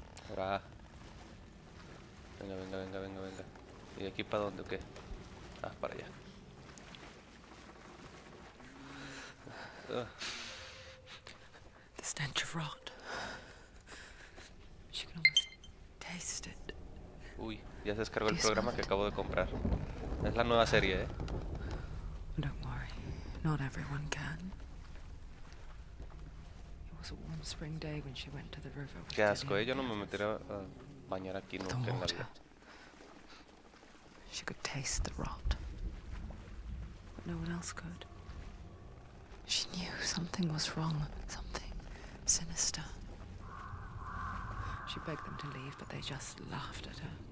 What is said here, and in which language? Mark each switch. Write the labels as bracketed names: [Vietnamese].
[Spanish] Ahora. Venga, venga, venga, venga, venga. ¿Y aquí para dónde o qué? Ah, para allá. [English] The stench of rot. She can almost taste it. [Spanish] Uy, ya se descargó el programa que acabo de comprar. Es la nueva serie, ¿eh? [English] Don't worry, not everyone can. It was a warm spring day when she went to the river. [Spanish] Qué asco, yo no me metería a bañar aquí nunca en la vida. [English] She could taste the rot, but no one else could. She knew something was wrong, something sinister. She begged them to leave, but they just laughed at her.